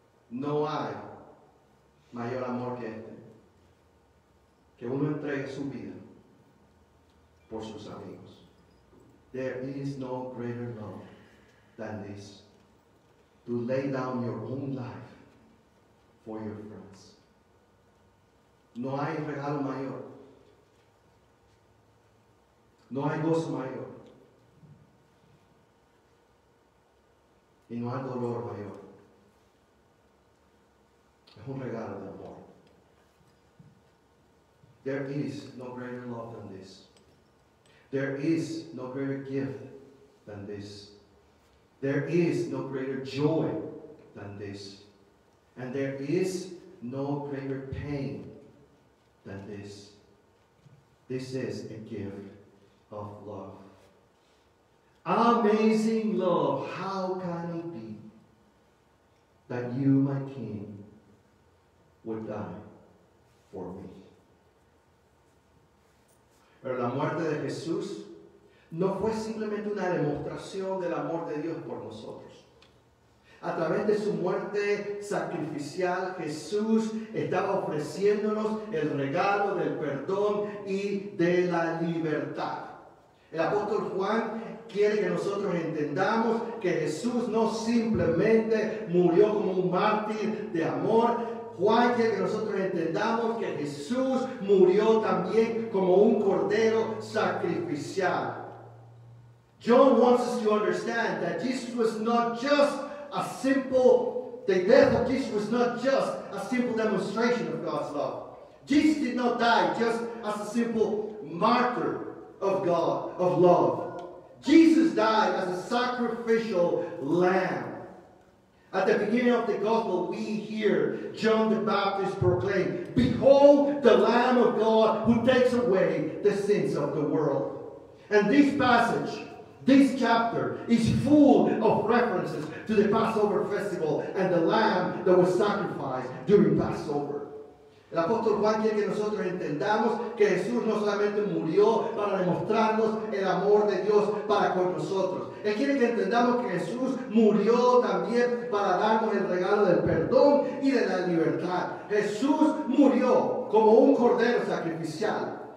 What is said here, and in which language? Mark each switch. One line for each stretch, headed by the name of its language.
Spanish: No hay mayor amor que este, que uno entregue su vida por sus amigos.
English: There is no greater love than this, to lay down your own life for your friends.
Spanish: No hay regalo mayor. No hay gozo mayor. Y no hay dolor mayor. Es un regalo de amor.
English: There is no greater love than this. There is no greater gift than this. There is no greater joy than this. And there is no greater pain than this. This is a gift of love. Amazing love. How can it be that you, my King, would die for me?
Spanish: Pero la muerte de Jesús no fue simplemente una demostración del amor de Dios por nosotros. A través de su muerte sacrificial, Jesús estaba ofreciéndonos el regalo del perdón y de la libertad. El apóstol Juan quiere que nosotros entendamos que Jesús no simplemente murió como un mártir de amor. Juan quiere que nosotros entendamos que Jesús murió también como un cordero sacrificial.
English: John wants us to understand that Jesus was not just a simple, the death of Jesus was not just a simple demonstration of God's love. Jesus did not die just as a simple martyr of God, of love. Jesus died as a sacrificial lamb. At the beginning of the gospel, we hear John the Baptist proclaim, "Behold the Lamb of God who takes away the sins of the world." And this passage, this chapter, is full of references to the Passover festival and the lamb that was sacrificed during Passover.
Spanish: El apóstol Juan quiere que nosotros entendamos que Jesús no solamente murió para demostrarnos el amor de Dios para con nosotros. Él quiere que entendamos que Jesús murió también para darnos el regalo del perdón y de la libertad. Jesús murió como un cordero sacrificial.